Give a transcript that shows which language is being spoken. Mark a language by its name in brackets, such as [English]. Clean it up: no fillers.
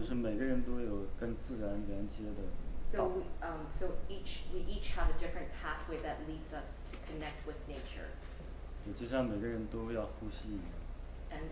[Chinese] 对，其实就是一样，就是每个人都有跟自然连接的道。So [English] so each have a different pathway that leads us to connect with nature. [Chinese] 对，就像每个人都要呼吸一样。And